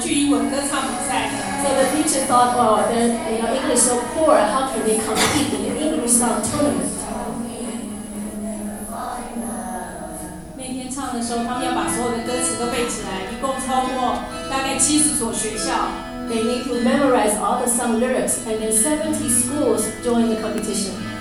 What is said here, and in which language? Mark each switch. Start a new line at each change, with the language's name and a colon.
English: So the teacher thought, oh, then you know, English so poor, how can they compete in an English song tournament?
Chinese: 那天唱的时候，他们要把所有的歌词都背起来，一共超过大概70所学校。
English: They need to memorize all the song lyrics, and then 70 schools join the competition.